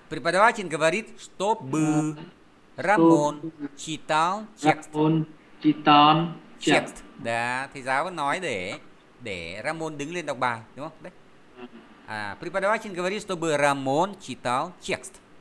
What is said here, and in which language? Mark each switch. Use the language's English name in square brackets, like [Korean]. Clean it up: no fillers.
[Russian] Преподаватель говорит, что бы Рамон читал текст. Рамон читал текст. [Vietnamese] Да, thầy giáo vẫn nói để Рамон đứng lên đọc bài, đúng không? Đấy. [Russian] À, преподаватель говорит, чтобы Рамон читал текст.